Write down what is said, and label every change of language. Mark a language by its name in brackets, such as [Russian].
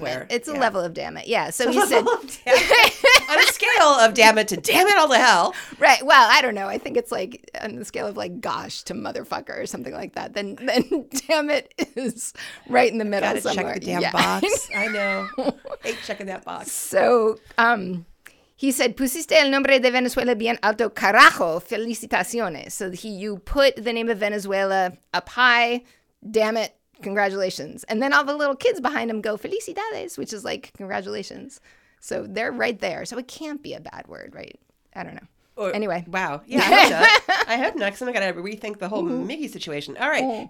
[English] swear. It. It's a level of damn it. Yeah. So the he said. On a scale of damn it to damn it all to hell. Right. Well, I don't know. I think it's like on the scale of like gosh to motherfucker or something like that. Then damn it is right in the middle somewhere. Gotta check the damn box. I know. Hate checking that box. So he said, [Spanish] pusiste el nombre de Venezuela bien alto, carajo, felicitaciones. [English] So you put the name of Venezuela up high. Damn it. Congratulations. And then all the little kids behind him go, felicidades, which is like, congratulations. So they're right there. So it can't be a bad word, right? I don't know. Anyway. Wow. Yeah. I hope not, because I'm going to rethink the whole Mickey situation. All right. Ooh.